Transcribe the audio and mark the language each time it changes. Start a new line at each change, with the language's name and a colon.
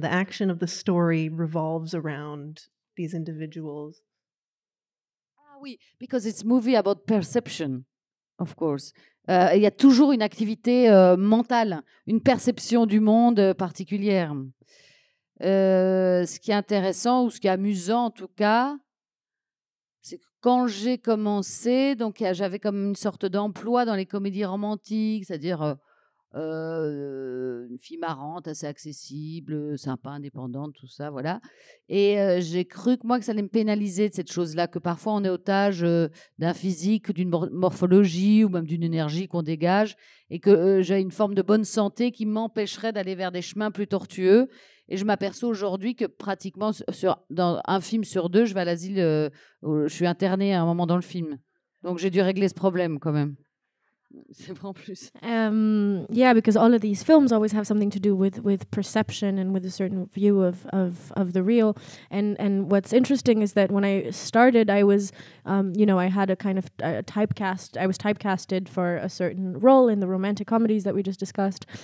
English: The action of the story revolves around these individuals.
French: Ah oui,
English: because it's a movie about perception, of course.
French: Il y a toujours une activité mentale, une perception du monde particulière. Ce qui est intéressant ou ce qui est amusant en tout cas, c'est que quand j'ai commencé, donc j'avais comme une sorte d'emploi dans les comédies romantiques, c'est-à-dire une fille marrante, assez accessible, sympa, indépendante, tout ça, voilà. Et j'ai cru que moi que ça allait me pénaliser de cette chose-là, que parfois on est otage d'un physique, d'une morphologie ou même d'une énergie qu'on dégage, et que j'ai une forme de bonne santé qui m'empêcherait d'aller vers des chemins plus tortueux. Et je m'aperçois aujourd'hui que pratiquement dans un film sur deux, je vais à l'asile, où je suis internée à un moment dans le film. Donc j'ai dû régler ce problème quand même. C'est bon en plus.
English: Yeah, because all of these films always have something to do with perception and with a certain view of the real. And what's interesting is that when I started, I was, you know, I had a kind of a typecast. I was typecasted for a certain role in the romantic comedies that we just discussed.